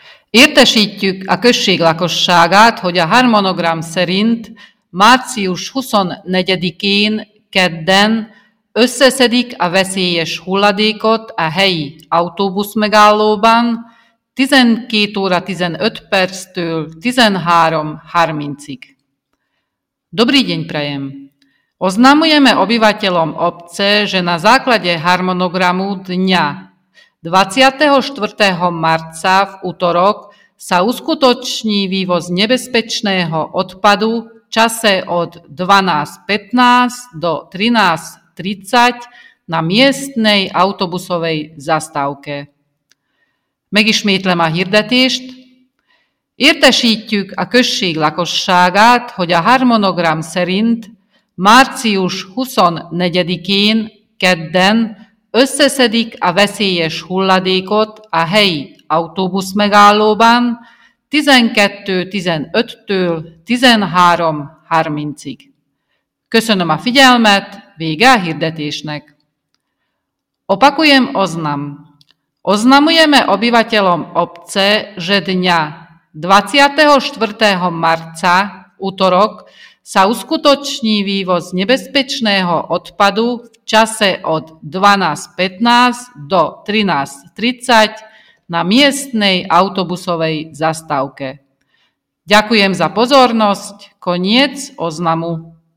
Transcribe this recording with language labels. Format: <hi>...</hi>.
<hu>Értesítjük a község lakosságát, hogy a harmonogram szerint március 24-én kedden összeszedik a veszélyes hulladékot a helyi autóbuszmegállóban 12 óra 15 perctől 13:30-ig.</hu> <sk>Dobrý deň prajem! Oznamujeme obyvateľom obce, že na základe harmonogramu dňa 24. marca v útorok sa uskutoční vývoz nebezpečného odpadu v čase od 12:15 do 13:30 na miestnej autobusovej zastávke.</sk> <hu>Megismétlem a hirdetést. Értesítjük a község lakosságát, hogy a harmonogram szerint március 24-én kedden összeszedik a veszélyes hulladékot a helyi autóbuszmegállóban 12:15-től 13:30-ig. Köszönöm a figyelmet, vége a hirdetésnek.</hu> <sk>Opakujem oznam. Oznamujeme obyvateľom obce, že dňa 24. marca, útorok, sa uskutoční vývoz nebezpečného odpadu v čase od 12:15 do 13:30 na miestnej autobusovej zastávke. Ďakujem za pozornosť. Koniec oznamu.</sk>